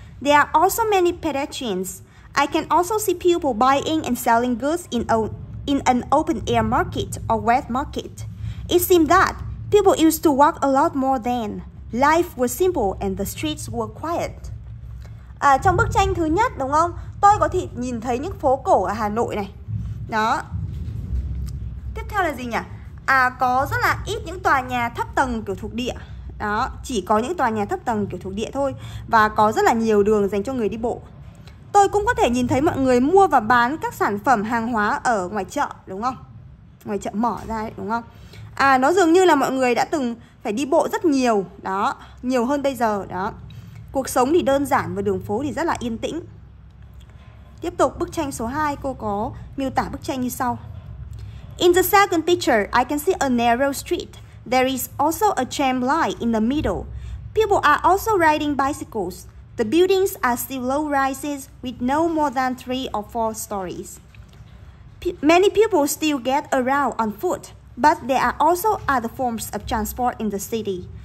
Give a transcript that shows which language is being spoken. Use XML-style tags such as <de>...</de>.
<en>There are also many pedestrians. I can also see people buying and selling goods in an open-air market or wet market. It seemed that people used to walk a lot more then. Life was simple and the streets were quiet.</en> <vi>Trong bức tranh thứ nhất, đúng không? Tôi có thể nhìn thấy những phố cổ ở Hà Nội này. Đó. Tiếp theo là gì nhỉ? Có rất là ít những tòa nhà thấp tầng kiểu thuộc địa. Đó, chỉ có những tòa nhà thấp tầng kiểu thuộc địa thôi. Và có rất là nhiều đường dành cho người đi bộ. Tôi cũng có thể nhìn thấy mọi người mua và bán các sản phẩm hàng hóa ở ngoài chợ, đúng không? Ngoài chợ mở ra đấy, đúng không? Nó dường như là mọi người đã từng phải đi bộ rất nhiều. Đó, nhiều hơn bây giờ, đó. Cuộc sống thì đơn giản và đường phố thì rất là yên tĩnh. Tiếp tục bức tranh số 2, cô có miêu tả bức tranh như sau.</vi> <en>In the second picture, I can see a narrow street. There is also a tram line in the middle. People are also riding bicycles. The buildings are still low rises with no more than 3 or 4 stories. Many people still get around on foot, but there are also other forms of transport in the city.</en>